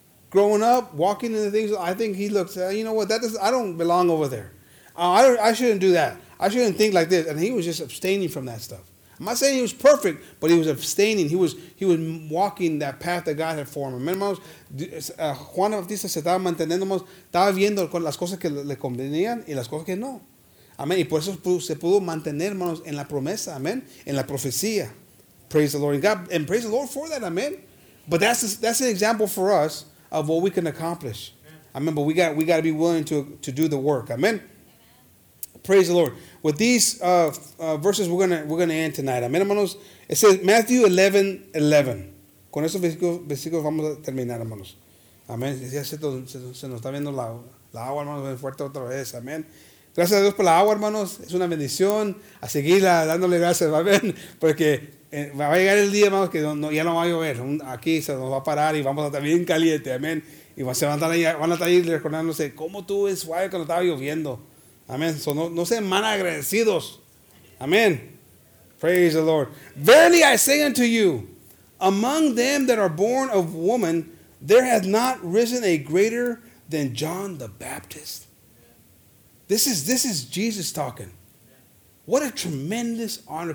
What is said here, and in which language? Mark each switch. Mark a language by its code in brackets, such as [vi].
[en] Growing up, walking into things, I think he looked, you know what? I don't belong over there. I shouldn't do that. I shouldn't think like this. And he was just abstaining from that stuff. I'm not saying he was perfect, but he was abstaining. He was walking that path that God had for him. Amen, hermanos. [es] Juan Bautista se estaba manteniendo, estaba viendo con las cosas que le convenían y las cosas que no. Amen. Y por eso se pudo mantener, hermanos, en la promesa. Amen. En la profecía. [en] Praise the Lord. And, God, and praise the Lord for that. Amen. But that's an example for us of what we can accomplish. Amen. But we got to be willing to do the work. Amen. Praise the Lord. With these verses, we're gonna end tonight. Amen, hermanos. It says Matthew 11:11. [es] Con esos versículos vamos a terminar, hermanos. Amen. Se nos está viendo la agua, hermanos, fuerte otra vez. Amen. Gracias a Dios por la agua, hermanos. Es una bendición. A seguirla dándole gracias. Amen. Porque va a llegar el día, hermanos, que no, ya no va a llover. Aquí se nos va a parar y vamos a estar bien caliente. Amen. Y se van a estar ahí recordándose cómo tú en suave cuando estaba lloviendo. Amén. So no sean mal agradecidos. Amén. [en] Praise the Lord. Verily I say unto you, among them that are born of woman, there has not risen a greater than John the Baptist. This is Jesus talking. What a tremendous honor.